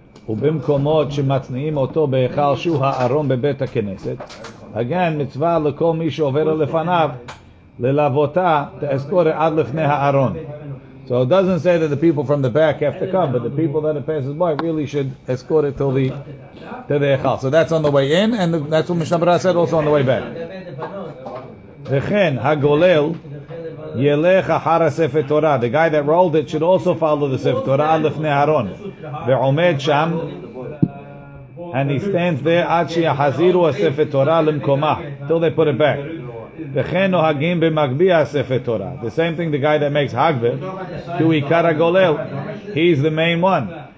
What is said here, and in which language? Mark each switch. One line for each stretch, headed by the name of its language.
Hebrew: ובמקומות שמצניעים אותו בהיכל שהוא הארון בבית הכנסת, again, מצווה לכל מי שעובר לפניו, ללוותה, תאזכור עד לפני הארון.
English: So it doesn't say that the people from the back have to come, but the people that it passes by really should escort it till the היכל. So that's on the way in, and that's what Mishnah Berurah said also on the way back.
Hebrew: וכן, הגולל, ילך אחר הספר תורה.
English: The guy that rolled it should also follow the ספר תורה
Hebrew: עד לפני הארון. ועומד שם,
English: and he stands there
Hebrew: עד שיחזירו הספר תורה למקומה,
English: till they put it back.
Hebrew: וכן נוהגים במקביא הספר תורה.
English: The same thing, the guy that makes הגבל,
Hebrew: כי הוא עיקר הגולל,
English: he is the main one.